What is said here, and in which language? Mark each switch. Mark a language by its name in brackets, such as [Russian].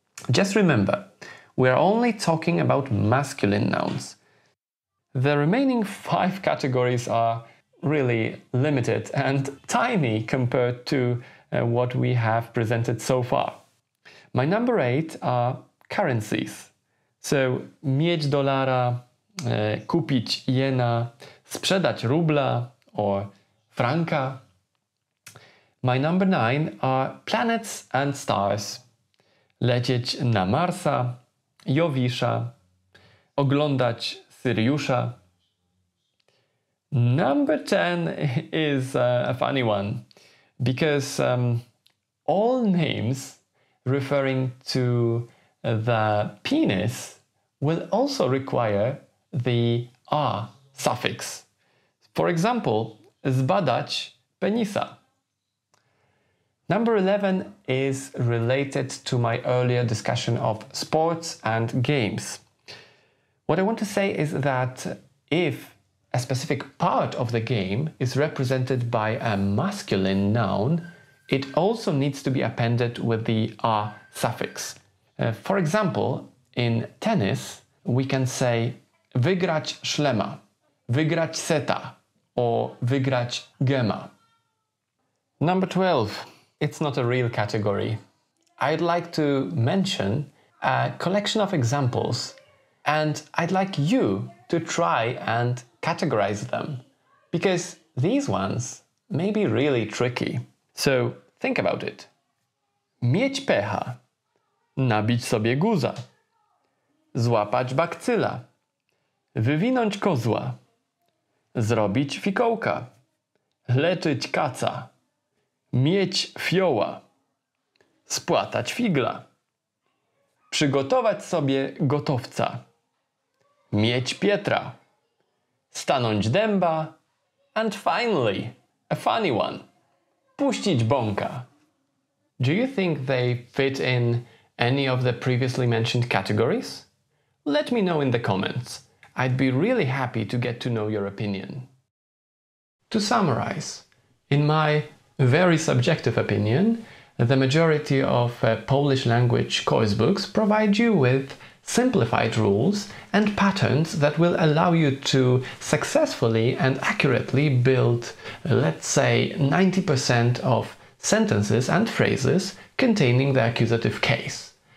[English] Just remember, we are only talking about masculine nouns. The remaining five categories are really limited and tiny compared to what we have presented so far. My number eight are currencies. So, [Polish] mieć dolara, kupić jena, sprzedać rubla [English] or franka. My number nine are planets and stars. [Polish] Lecieć na Marsa, Jowisza, oglądać Syriusza. [English] Number 10 is a funny one, because all names referring to the penis will also require the a suffix. For example, [Polish] zbadać penisa. [English] Number 11 is related to my earlier discussion of sports and games. What I want to say is that if a specific part of the game is represented by a masculine noun, it also needs to be appended with the a suffix. For example, in tennis, we can say [Polish] wygrać szlema, wygrać seta, [English] or [Polish] wygrać gema. [English] Number 12. It's not a real category. I'd like to mention a collection of examples, and I'd like you to try and categorize them, because these ones may be really tricky. So think about it. [Polish] Mieć pecha, nabić sobie guza, złapać bakcyla, wywinąć kozła, zrobić fikołka, leczyć kaca, mieć fioła, spłatać figla, przygotować sobie gotowca, mieć pietra, stanąć dęba, [English] and finally, a funny one, [Polish] puścić bąka. [English] Do you think they fit in any of the previously mentioned categories? Let me know in the comments. I'd be really happy to get to know your opinion. To summarize, in my very subjective opinion, the majority of Polish language course books provide you with simplified rules and patterns that will allow you to successfully and accurately build, let's say, 90% of sentences and phrases containing the accusative case.